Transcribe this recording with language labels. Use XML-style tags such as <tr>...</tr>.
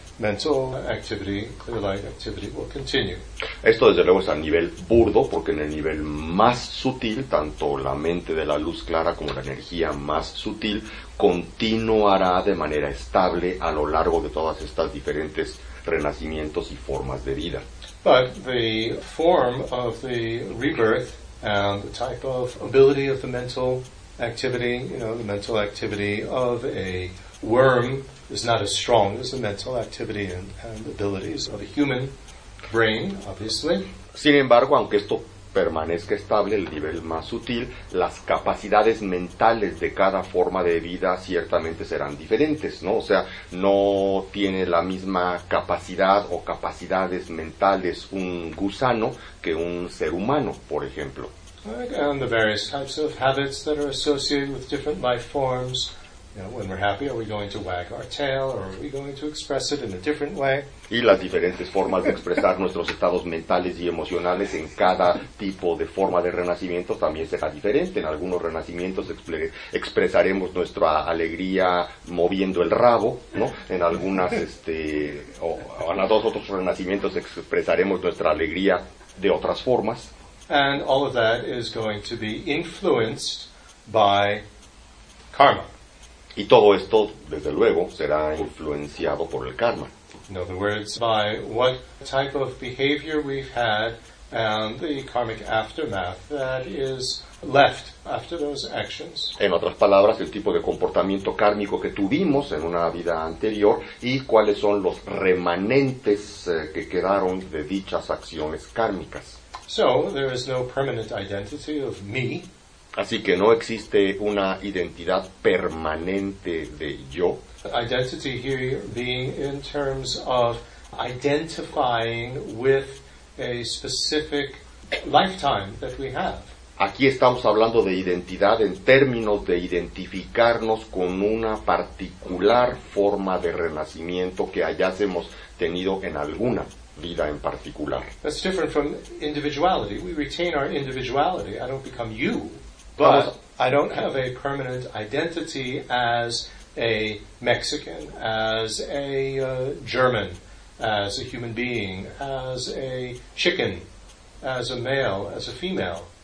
<en>Mental activity, clear light activity will continue.</en> <es>Esto desde luego es a nivel burdo, porque en el nivel más sutil, tanto la mente de la luz clara como la energía más sutil, continuará de manera estable a lo largo de todas estas diferentes renacimientos y formas de vida.</es> <en>But the form of the rebirth and the type of ability of the mental activity, you know, the mental activity of a worm is not as strong as the mental activity and abilities of a human brain, obviously.</en> <es>Sin embargo, aunque esto permanezca estable, el nivel más sutil, las capacidades mentales de cada forma de vida ciertamente serán diferentes, ¿no? O sea, no tiene la misma capacidad o capacidades mentales un gusano que un ser humano, por ejemplo.</es> <en>And the various types of habits that are associated with different life forms. You know, when we're happy, are we going to wag our tail, or are we going to express it in a different way?</en> <es>Y las diferentes formas de expresar nuestros estados mentales y emocionales en cada tipo de forma de renacimiento también será diferente. En algunos renacimientos expresaremos nuestra alegría moviendo el rabo, ¿no? En algunas, en los otros renacimientos expresaremos nuestra alegría de otras formas.</es> <en>And all of that is going to be influenced by karma.</en> <es>Y todo esto, desde luego, será influenciado por el karma.</es> <en>In other words, by what type of behavior we've had and the karmic aftermath that is left after those actions.</en> <es>En otras palabras, el tipo de comportamiento kármico que tuvimos en una vida anterior y cuáles son los remanentes que quedaron de dichas acciones kármicas.</es> <en>So, there is no permanent identity of me.</en> <es>Así que no existe una identidad permanente de yo.</es> <en>Identity here being in terms of identifying with a specific lifetime that we have.</en> <es>Aquí estamos hablando de identidad en términos de identificarnos con una particular forma de renacimiento que hayásemos tenido en alguna vida en particular.</es> <en>That's different from individuality. We retain our individuality. I don't become you, but I don't have a permanent identity as a Mexican, as a German, as a human being, as a chicken, as a male, as a female.</en>